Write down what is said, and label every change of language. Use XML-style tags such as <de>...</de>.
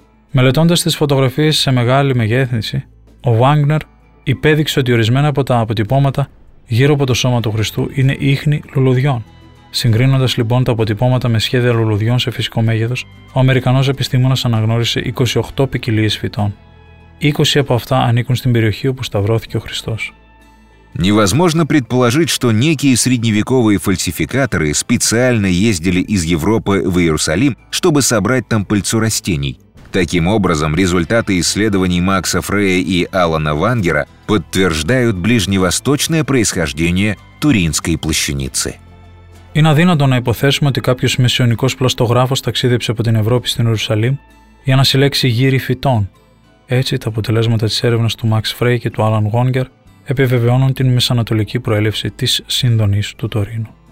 <el>Μελετώντας τις φωτογραφίες σε μεγάλη μεγέθυνση, ο Wagner υπέδειξε ότι ορισμένα από τα αποτυπώματα γύρω από το σώμα του Χριστού είναι ίχνη λουλουδιών. Συγκρίνοντας λοιπόν τα αποτυπώματα με σχέδια λουλουδιών σε φυσικό μέγεθος, ο Αμερικανός επιστήμονας αναγνώρισε 28 ποικιλίες φυτών. 20 από αυτά ανήκουν στην περιοχή όπου σταυρώθηκε ο Χριστός.</el> <ru>Невозможно предположить, что некие средневековые фальсификаторы специально ездили из Европы в Иерусалим, чтобы собрать там пыльцу растений. Таким образом, результаты исследований Макса Фрея и Алана Вангера подтверждают ближневосточное происхождение Туринской плащаницы.</ru> <el>Είναι αδύνατο να υποθέσουμε ότι κάποιος μεσαιωνικός πλαστογράφος ταξίδεψε από την Ευρώπη στην Ιερουσαλήμ για να συλλέξει γύρι φυτών. Έτσι, τα αποτελέσματα της έρευνας του Max Frey και του Alan Wagner επιβεβαιώνουν την μεσανατολική προέλευση της σύνδονης του Τωρίνου.</el>